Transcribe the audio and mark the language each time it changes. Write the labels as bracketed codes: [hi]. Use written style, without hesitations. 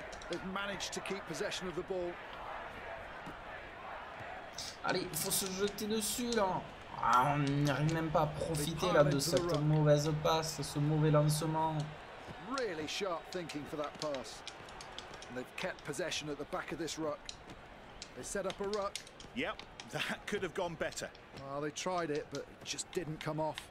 [en] They've managed to keep possession of the ball. [fr] Allez, il faut se jeter dessus là. Ah, on n'arrive même pas à profiter là de cette mauvaise passe, ce mauvais lancement. [en] Really sharp thinking for that pass. They've kept possession at the back of this ruck. They set up a ruck. Yep, that could have gone better. Well, they tried it, but it just didn't come off.